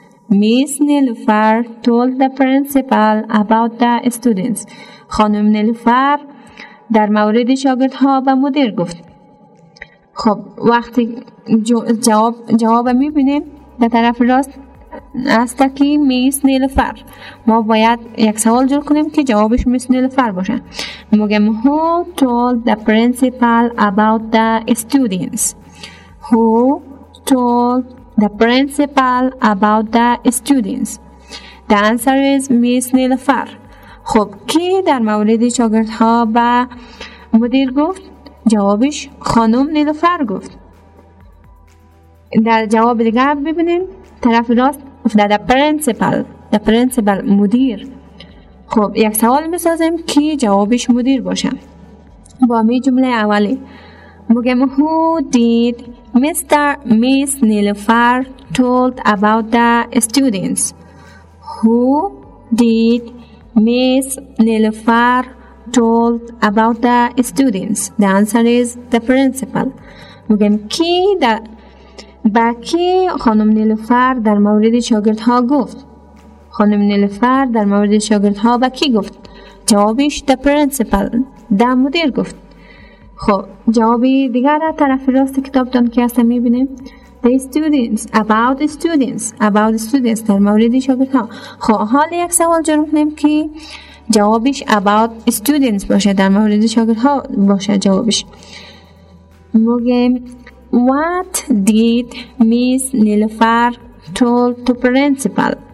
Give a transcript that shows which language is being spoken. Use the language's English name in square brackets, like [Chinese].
[English] Miss Nilofar told the principal about the students. [Persian] خانم نیلوفر در مورد شاگردها به مدیر گفت. خب وقتی جواب میبینیم در طرف راست است که میس نیلوفر، ما باید یک سوال جور کنیم که جوابش میس نیلوفر باشه. میگم [English] who told the principal about the students. Who told the principal about the students. The answer is Miss Nilofar. [Persian] خب کی در مورد شاگردها با مدیر گفت؟ جوابش خانم نیلوفر گفت. در جواب دیگر ببینیم طرف راست گفت [English] the principal. The principal [Persian] مدیر. خب یک سوال میسازیم کی جوابش مدیر باشه. با می جمله اولی میگم [English] who did Mr. Miss Nilofar told about the students. Who did Miss Nilofar told about the students? The answer is the principal. [Persian] میگم کی با کی خانم نیلوفر در مورد شاگردها گفت؟ خانم نیلوفر در مورد شاگردها با کی گفت؟ جوابش [English] the principal. [Persian] The مدیر گفت. خب جوابی دیگر از طرف راست کتابتان که هستم میبینیم [English] the students about the students. About students [Persian] در مورد شاگردها. خب حال یک سوال جور میکنیم که جوابش [English] about students [Persian] باشه، در مورد شاگردها باشه جوابش. مگم [English] what did Miss Nilofar told to principal.